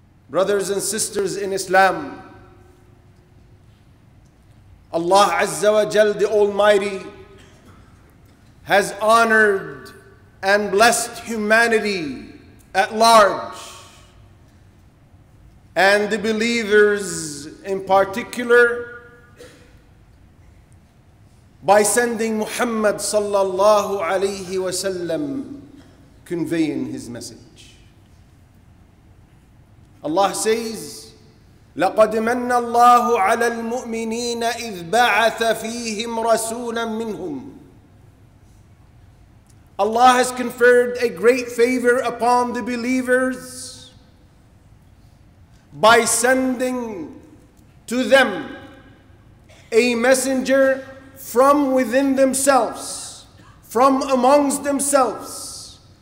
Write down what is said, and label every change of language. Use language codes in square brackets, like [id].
[en] Brothers and sisters in Islam, Allah Azza wa Jal, the Almighty, has honored and blessed humanity at large, and the believers in particular, by sending Muhammad sallallahu alayhi wa sallam, conveying his message. Allah says, [ar] لَقَدْ مَنَّ اللَّهُ عَلَى الْمُؤْمِنِينَ إِذْ بَعَثَ فِيهِمْ رَسُولًا مِّنْهُمْ. [en] Allah has conferred a great favor upon the believers by sending to them a messenger from within themselves, from amongst themselves.